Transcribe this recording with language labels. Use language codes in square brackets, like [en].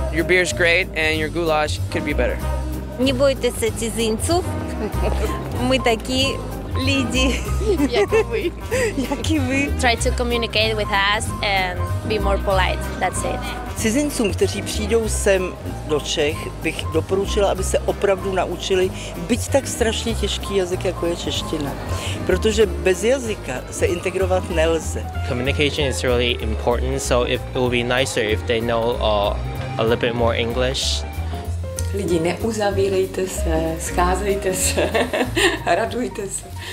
[en] Your beer is great and your goulash could be better. [cs] Ne bojte se cizinců. My taky lidi. Jak i vy. [en] Try to communicate with us and be more polite. That's it. [cs] Cizincům, kteří přijdou sem do Čech, bych doporučila, aby se opravdu naučili byť tak strašně těžký jazyk, jako je čeština. Protože bez jazyka se integrovat nelze. [en] Communication is really important, so if it would be nicer if they know a little bit more English. [cs] Lidi, neuzavírejte se, scházejte se, radujte se.